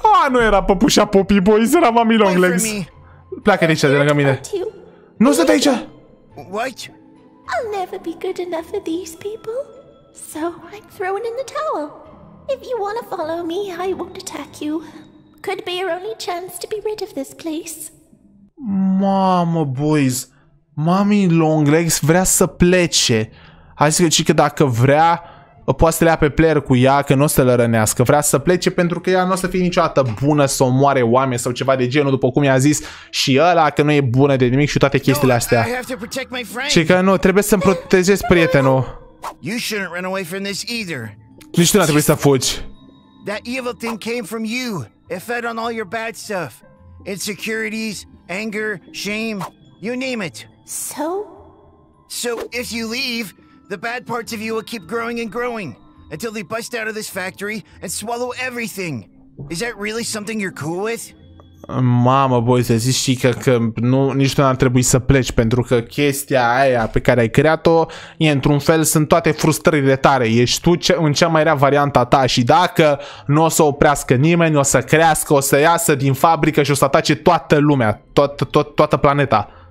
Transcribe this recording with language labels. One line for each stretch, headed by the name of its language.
Romanian: Nu era păpușa Poppy, boi, era mami long legs. Pleacă de aici, de lângă mine. Nu sunt aici.
English: I'll never be good enough for these people. So I'm throwing in the towel. If you want to follow me, I won't attack you. Could be your only chance to be rid of this place.
Romanian: Mamă, boys. Mami Longlegs vrea să plece. Hai să zic că dacă vrea, poate să le ia pe player cu ea, că nu o să le rănească. Vrea să plece pentru că ea nu o să fie niciodată bună să omoare oameni sau ceva de genul, după cum i-a zis și ăla, că nu e bună de nimic și toate chestiile astea. Și că nu, trebuie să-mi protejez prietenul.
English: You shouldn't run away from this either.
Romanian: Nici tu n-a trebuit să fugi.
English: That evil thing came from you. It fed on all your bad stuff. Insecurities, anger, shame, you name it. So? So if you leave, the bad parts of you will keep growing and growing until they bust out of this factory and swallow everything. Is that really something you're cool with?
Romanian: Mamă, boi, să zici, știi că, că nu, nici nu ar trebui să pleci, pentru că chestia aia pe care ai creat-o e într-un fel, sunt toate frustrările tale, ești tu ce, în cea mai rea varianta ta și dacă nu o să oprească nimeni, o să crească, o să iasă din fabrică și o să atace toată lumea, toată planeta.